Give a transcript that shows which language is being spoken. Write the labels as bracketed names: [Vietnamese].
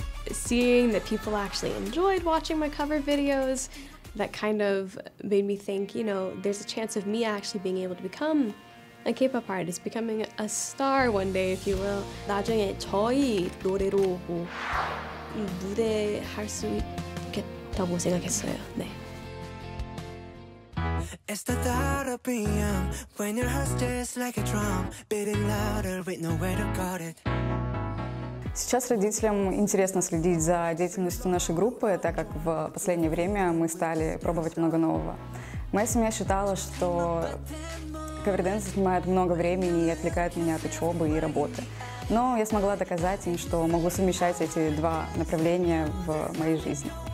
[English] Seeing that people actually enjoyed watching my cover videos, that kind of made me think, you know, there's a chance of me actually being able to become a K-pop artist, becoming a star one day, if you will. [Korean] 나중에 저희 노래로 뭐 무대 할 수 있겠다고 생각했어요. 네. [English] It's the thought of being young when your heart's just like a drum beating louder with nowhere to guard it. [Russian] Сейчас родителям интересно следить за деятельностью нашей группы, так как в последнее время мы стали пробовать много нового. Моя семья считала, что кавер-дэнс занимает много времени и отвлекает меня от учебы и работы. Но я смогла доказать им, что могу совмещать эти два направления в моей жизни.